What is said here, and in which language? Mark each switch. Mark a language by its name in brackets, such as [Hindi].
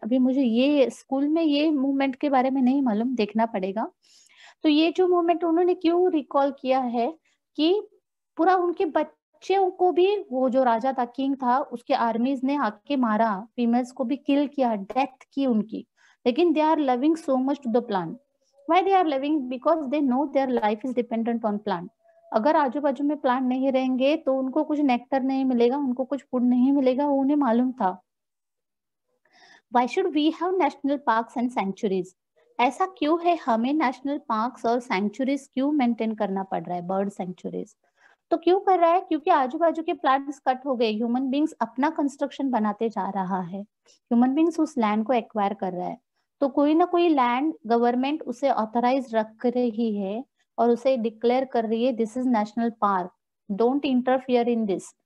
[Hindi] अभी मुझे ये स्कूल में ये मूवमेंट के बारे में नहीं मालूम, देखना पड़ेगा। तो ये जो मूवमेंट उन्होंने क्यों रिकॉल किया है कि पूरा उनके बच्चों को भी, वो जो राजा था, किंग था, उसके आर्मीज ने आके मारा, फीमेल्स को भी किल किया, डेथ की उनकी, लेकिन [English] They are loving so much to the plant. Why they are living? Because they know their life is dependent on plant. [Hindi] अगर आजू बाजू में प्लांट नहीं रहेंगे तो उनको कुछ नेक्टर नहीं मिलेगा, उनको कुछ फूड नहीं मिलेगा, वो उन्हें मालूम था। [English] Why should we have national parks and sanctuaries? [Hindi] ऐसा क्यों है हमें national parks और sanctuaries क्यों maintain करना पड़ रहा है, bird sanctuaries? तो क्यों कर रहा है? क्योंकि आजू बाजू के प्लांट्स कट हो गए, ह्यूमन बींग्स अपना कंस्ट्रक्शन बनाते जा रहा है, ह्यूमन बींग्स उस लैंड को एक्वायर कर रहा है, तो कोई ना कोई लैंड गवर्नमेंट उसे ऑथराइज रख रही है और उसे डिक्लेयर कर रही है [English] This is national park, don't interfere in this.